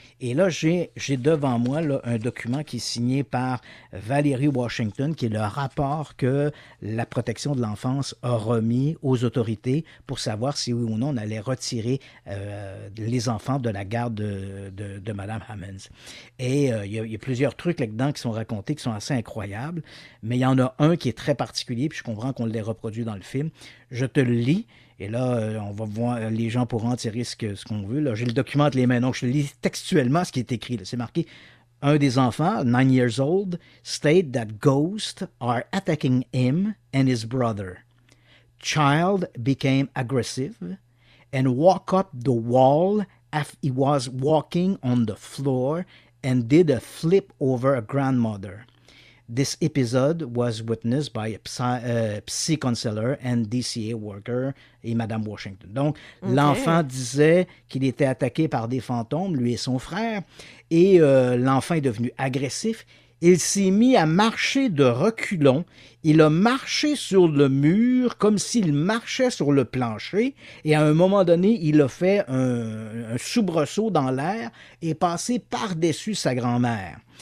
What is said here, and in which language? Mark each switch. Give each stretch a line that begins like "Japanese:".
French: Et là, j'ai devant moi là, un document qui est signé par Valérie Washington, qui est le rapport que la protection de l'enfance a remis aux autorités pour savoir si oui ou non on allait retirer les enfants de la garde de Mme Hammonds. Et il y a plusieurs trucs là-dedans qui sont racontés qui sont assez incroyables, mais il y en a un qui est très particulier, puis je comprends qu'on l'ait reproduit dans le film. Je te le lis Et là, on va voir, les gens pourront en tirer ce qu'on veut. Là. J'ai le document entre les mains, donc je lis textuellement ce qui est écrit. Là. C'est marqué « Un des enfants,
English: 9 years old, state that ghosts are attacking him and his brother. Child became aggressive and walk up the wall as he was walking on the floor and did a flip over a grandmother. This episode was witnessed by a psy counselor and DCA worker
French: et Madame Washington. » Donc, okay. L'enfant disait qu'il était attaqué par des fantômes, lui et son frère, et l'enfant est devenu agressif. Il s'est mis à marcher de reculons. Il a marché sur le mur comme s'il marchait sur le plancher. Et à un moment donné, il a fait un soubresaut dans l'air et passé par-dessus sa grand-mère.